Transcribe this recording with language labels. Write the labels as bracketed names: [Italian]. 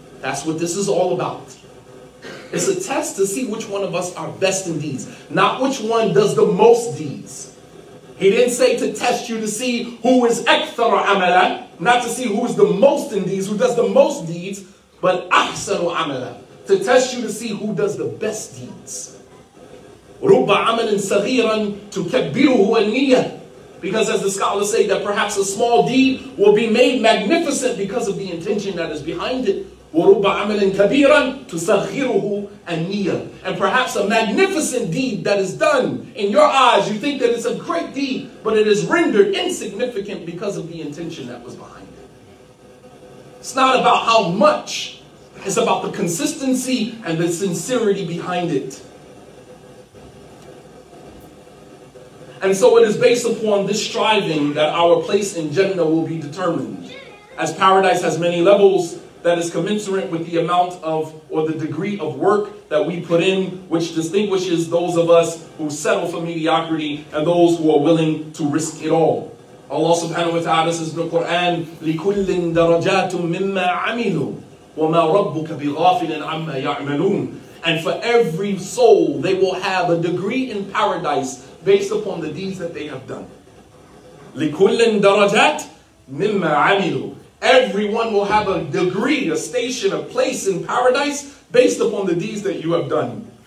[English] That's what this is all about. It's a test to see which one of us are best in deeds, not which one does the most deeds. He didn't say to test you to see who is [Arabic] akthar amala, [English] not to see who is the most in deeds, who does the most deeds, but [Arabic] ahsanu amala, [English] to test you to see who does the best deeds. [Arabic] رُبَّ عَمَلٍ صَغِيرًا تُكَبِّرُهُ النِّيَّةِ. [English] Because as the scholars say, that perhaps a small deed will be made magnificent because of the intention that is behind it. [Arabic] وَرُبَّ عَمَلٍ كَبِيرًا تُصَغِيرُهُ النِّيَّةِ. [English] And perhaps a magnificent deed that is done in your eyes, you think that it's a great deed, but it is rendered insignificant because of the intention that was behind it. It's not about how much, it's about the consistency and the sincerity behind it. And so it is based upon this striving that our place in Jannah will be determined. As paradise has many levels, that is commensurate with the amount of, or the degree of work that we put in, which distinguishes those of us who settle for mediocrity and those who are willing to risk it all. Allah subhanahu wa ta'ala says in the Quran, [Arabic] لِكُلٍ دَرَجَاتٌ مِمَّا عَمِلُوا وَمَا رَبُّكَ بِغَافِلٍ عَمَّا يَعْمَلُونَ. [English] And for every soul, they will have a degree in paradise based upon the deeds that they have done. [Arabic] لِكُلٍ دَرَجَاتٍ مِمَّا عَمِلُوا. [English] Everyone will have a degree, a station, a place in paradise based upon the deeds that you have done.